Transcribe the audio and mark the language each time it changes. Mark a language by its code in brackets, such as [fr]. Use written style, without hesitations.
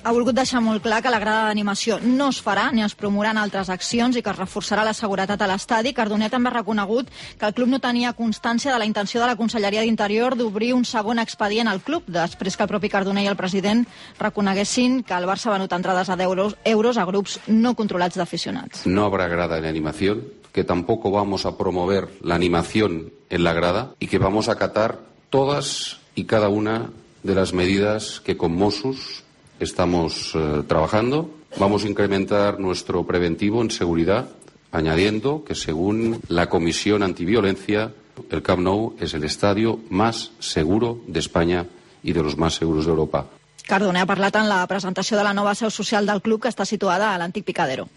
[ca] Ha volgut deixar molt clar que la grada d'animació no es farà ni es promouran altres accions i que es reforçarà la seguretat a l'estadi. Cardoner també ha reconegut que el club no tenia constància de la intenció de la Conselleria d'Interior d'obrir un segon expedient al club, després que el propi Cardoner i el president reconeguessin que el Barça ha venut entrades a 10 euros a grups no controlats d'aficionats. [es] No habrá grada en animación, que tampoco vamos a promover la animación en la grada y que vamos a acatar todas y cada una de las medidas que con Mossos estamos trabajando. Vamos a incrementar nuestro preventivo en seguridad, añadiendo que según la Comisión Antiviolencia, el Camp Nou es el estadio más seguro de España y de los más seguros de Europa. [ca] Cardoner ha parlat en la presentació de la nova seu social del club que està situada a l'antic Picadero.